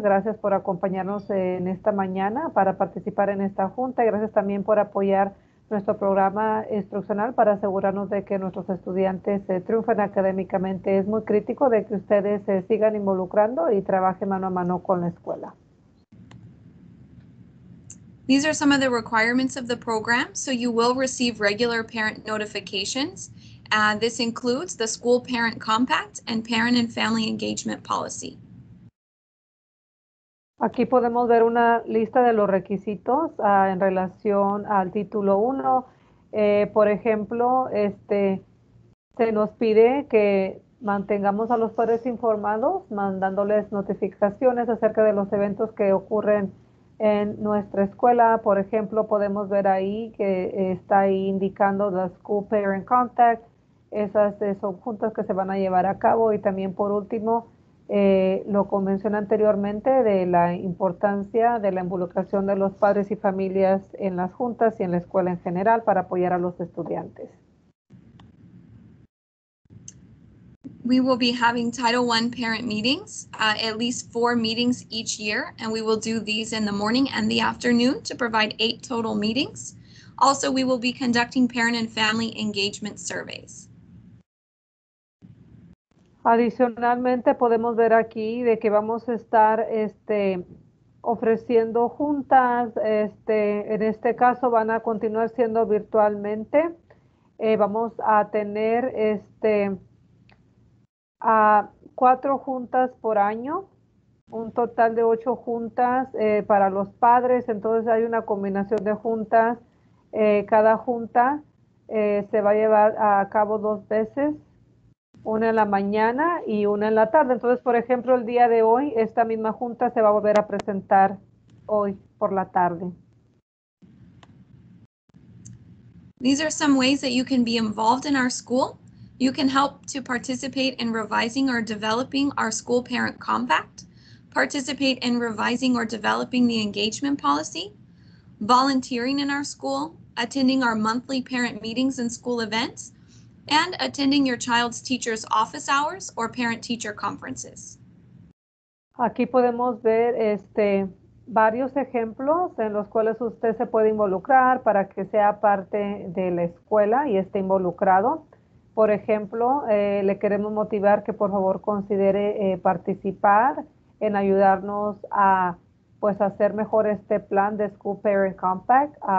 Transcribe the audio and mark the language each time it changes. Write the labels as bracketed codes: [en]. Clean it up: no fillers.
[es] Gracias por acompañarnos en esta mañana para participar en esta junta. Gracias también por apoyar nuestro programa instruccional para asegurarnos de que nuestros estudiantes triunfen académicamente. Es muy crítico de que ustedes se sigan involucrando y trabajen mano a mano con la escuela. [en] These are some of the requirements of the program. So you will receive regular parent notifications. This includes the school parent compact and parent and family engagement policy. [es] Aquí podemos ver una lista de los requisitos en relación al título 1. Por ejemplo, se nos pide que mantengamos a los padres informados, mandándoles notificaciones acerca de los eventos que ocurren en nuestra escuela. Por ejemplo, podemos ver ahí que está ahí indicando the school parent contact. Esas son juntas que se van a llevar a cabo y también por último, lo que mencioné anteriormente de la importancia de la involucración de los padres y familias en las juntas y en la escuela en general para apoyar a los estudiantes. [en] We will be having Title I parent meetings, at least 4 meetings each year, and we will do these in the morning and the afternoon to provide 8 total meetings. Also, we will be conducting parent and family engagement surveys. [es] Adicionalmente, podemos ver aquí de que vamos a estar ofreciendo juntas. En este caso, van a continuar siendo virtualmente. Vamos a tener 4 juntas por año, un total de 8 juntas para los padres. Entonces, hay una combinación de juntas. Cada junta se va a llevar a cabo 2 veces. Una en la mañana y una en la tarde. Entonces, por ejemplo, el día de hoy, esta misma junta se va a volver a presentar hoy por la tarde. [en] These are some ways that you can be involved in our school. You can help to participate in revising or developing our school parent compact, participate in revising or developing the engagement policy, volunteering in our school, attending our monthly parent meetings and school events, and attending your child's teacher's office hours or parent-teacher conferences. [es] Aquí podemos ver varios ejemplos en los cuales usted se puede involucrar para que sea parte de la escuela y esté involucrado. Por ejemplo, le queremos motivar que por favor considere participar en ayudarnos a hacer mejor este plan de School Parent Compact.